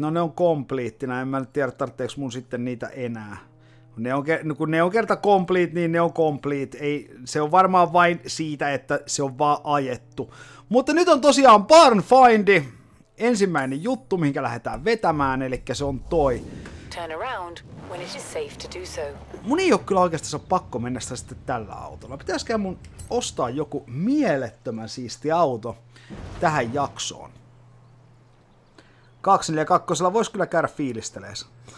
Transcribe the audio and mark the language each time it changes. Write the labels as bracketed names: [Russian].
[Finnish] No ne on complete, en mä nyt tiedä tarvitseeko mun sitten niitä enää. Kun ne on kerta complete, niin ne on complete. Ei, se on varmaan vain siitä, että se on vaan ajettu. Mutta nyt on tosiaan barn find. Ensimmäinen juttu, mihinkä lähdetään vetämään, eli se on toi. [English] Turn around when it is safe to do so. [Finnish] Mun ei ole kyllä oikeastaan pakko mennä sitä sitten tällä autolla. Pitäisikö mun ostaa joku mielettömän siisti auto tähän jaksoon? 242 voisi kyllä käydä fiilistelees.